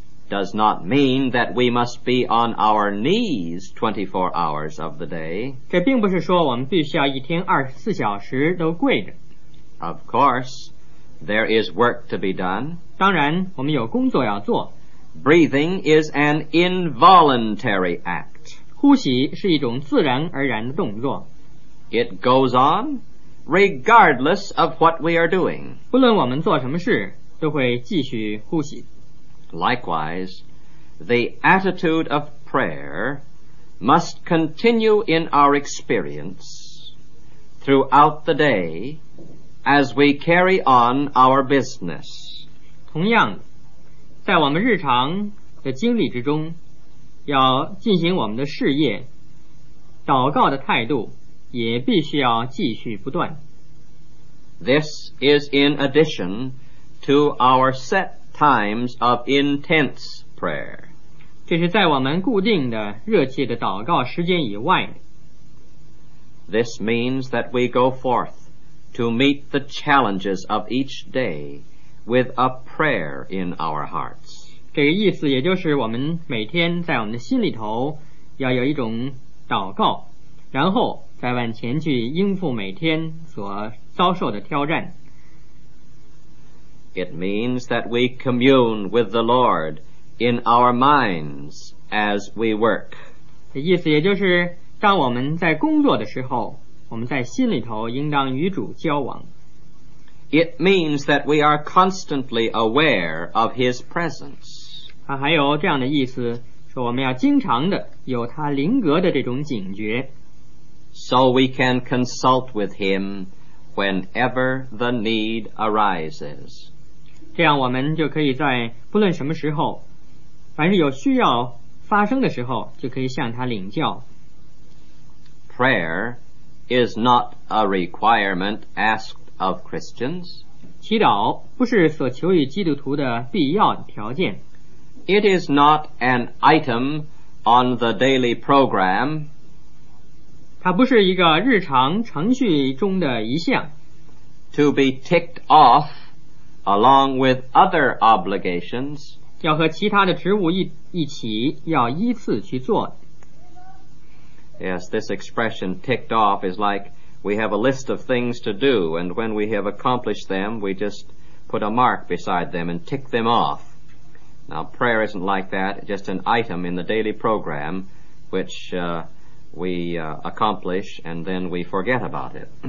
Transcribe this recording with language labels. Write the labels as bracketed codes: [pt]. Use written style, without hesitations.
[en] does not mean that we must be on our knees 24 hours of the day. [zh] 这并不是说我们必须要一天24小时都跪着。 [en] Of course, there is work to be done. [zh] 当然,我们有工作要做。 [en] Breathing is an involuntary act. [zh] 呼吸是一种自然而然的动作。 [en] It goes on,regardless of what we are doing. [zh] 不论我们做什么事都会继续呼吸。 [en] Likewise, the attitude of prayer must continue in our experience throughout the day as we carry on our business. [zh] 同样在我们日常的经历之中要进行我们的事业祷告的态度也必须要继续不断。 [en] This is in addition to our set times of intense prayer. [zh] 这是在我们固定的热切的祷告时间以外。 [en] This means that we go forth to meet the challenges of each day with a prayer in our hearts. [zh] 这个意思也就是我们每天在我们的心里头要有一种祷告，然后再往前去应付每天所遭受的挑战。 [en] It means that we commune with the Lord in our minds as we work. [zh] 这意思也就是当我们在工作的时候，我们在心里头应当与主交往。 [en] It means that we are constantly aware of His presence. [zh] 它还有这样的意思，说我们要经常的有他灵格的这种警觉。 [en] So we can consult with him whenever the need arises. [zh] 这样我们就可以在不论什么时候，凡是有需要发生的时候，就可以向他领教。 [en] Prayer is not a requirement asked of Christians. [zh] 祈祷不是所求于基督徒的必要条件。 [en] It is not an item on the daily program. [zh] 它不是一个日常程序中的一项。 [en] To be ticked off along with other obligations. [zh] 要和其他的职务一起，要依次去做。 [en] Yes, this expression ticked off is like we have a list of things to do, and when we have accomplished them, we just put a mark beside them and tick them off. Now, prayer isn't like that, just an item in the daily program which accomplish and then we forget about it.